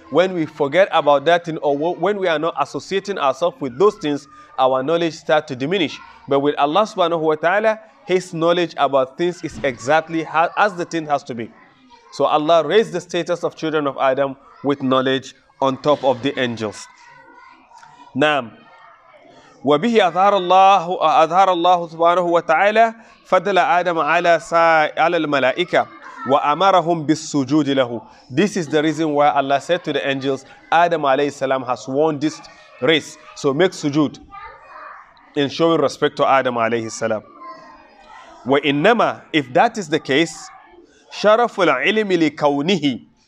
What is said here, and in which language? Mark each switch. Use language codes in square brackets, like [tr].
[en] When we forget about that thing, or when we are not associating ourselves with those things, our knowledge starts to diminish. But with Allah subhanahu wa ta'ala, his knowledge about things is exactly as the thing has to be. So Allah raised the status of children of Adam with knowledge on top of the angels. [ar] Naam. وبه أظهر الله أظهر الله سبحانه وتعالى فضل آدم على على الملائكة وأمرهم بالسجود له. [en] This is the reason why Allah said to the angels, Adam عليه السلام has worn this race, so make sujood in showing respect to Adam عليه السلام. [ar] وإنما [en] if that is the case, [ar] شرف العلم لكونه.